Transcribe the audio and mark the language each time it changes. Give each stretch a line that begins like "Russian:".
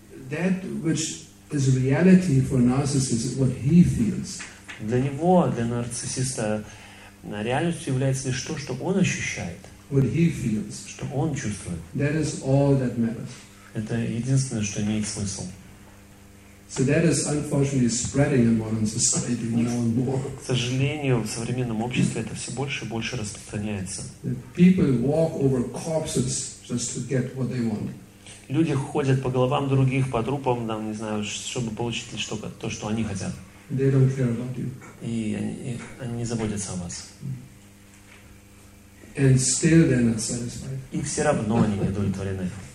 English: That which is reality for narcissists is what he feels.
Russian: Для него, для нарциссиста, реальностью является лишь то, что он ощущает.
English: What he feels.
Russian: Что он чувствует.
English: That is all that matters.
Russian: Это единственное, что имеет смысл.
English: So that is unfortunately spreading in modern society more and more.
Russian: К сожалению, в современном обществе это все больше и больше распространяется.
English: People walk over corpses just to get what they want.
Russian: Люди ходят по головам других, по трупам, там, не знаю, чтобы получить то, что они хотят.
English: They don't care about you.
Russian: И они не заботятся о вас.
English: And still they're not satisfied.
Russian: И все равно они не удовлетворены.